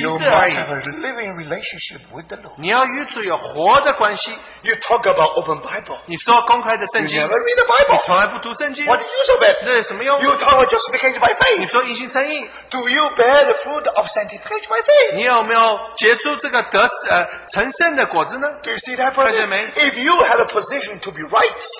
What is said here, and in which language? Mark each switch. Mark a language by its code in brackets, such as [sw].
[en] you must have a living relationship with the Lord. [zh] 你要与主有活的关系, [en] you talk about open Bible, [zh] 你说公开的圣经, [en] you never read the Bible, [zh] 你从来不读圣经, [en] what use of it? [zh] 那有什么用? [en] You talk about justification by faith. [zh] 你说一心三义, [en] do you bear the fruit of sanctification by faith? [zh] 你有没有结出这个成圣的果子呢? [en] Do you see that, brother? [zh] 看见没? [en] If you have a position to be right,